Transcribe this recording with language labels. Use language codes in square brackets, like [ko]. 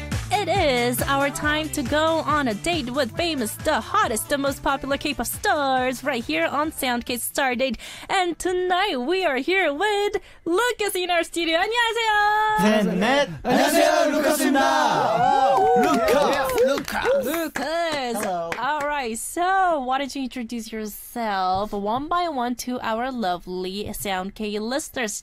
[en] It is our time to go on a date with famous, the hottest, the most popular K-pop stars right here on SoundK's Stardate. And tonight we are here with Lucas in our studio. [ko] 안녕하세요! 안녕하세요, 루카스입니다! [en] Lucas! Hello! Alright, so why don't you introduce yourself one by one to our lovely SoundK listeners.